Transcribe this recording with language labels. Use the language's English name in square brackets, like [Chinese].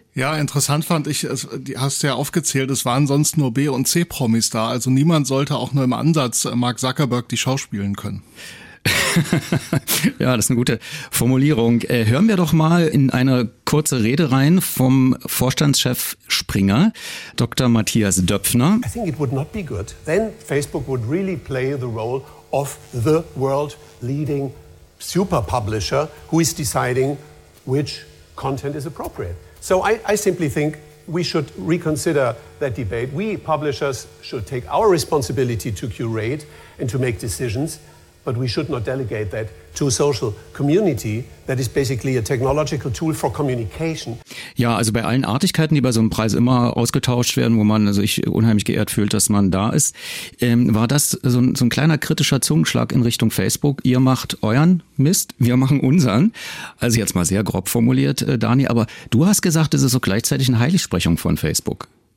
[German] Ja, interessant fand ich, hast du ja aufgezählt, es waren sonst nur B- und C-Promis da. Also niemand sollte auch nur im Ansatz Mark Zuckerberg die Show spielen können. Ja, das ist eine gute Formulierung. Hören wir doch mal in eine kurze Rede rein vom Vorstandschef Springer, Dr. Matthias Döpfner. [English] I think it would not be good. Then Facebook would really play the role of the world leading super publisher who is deciding which content is appropriate. So I simply think we should reconsider that debate. We publishers should take our responsibility to curate and to make decisions. but we should not delegate that to a social community that is basically a technological tool for communication. [German] Ja, also bei allen Artigkeiten, die bei so einem Preis immer ausgetauscht werden, wo man sich unheimlich geehrt fühlt, dass man da ist, war das so ein kleiner kritischer Zungenschlag in Richtung Facebook. Ihr macht euren Mist, wir machen unseren. Also jetzt mal sehr grob formuliert, Dani, aber du hast gesagt, es ist so gleichzeitig eine Heiligsprechung von Facebook.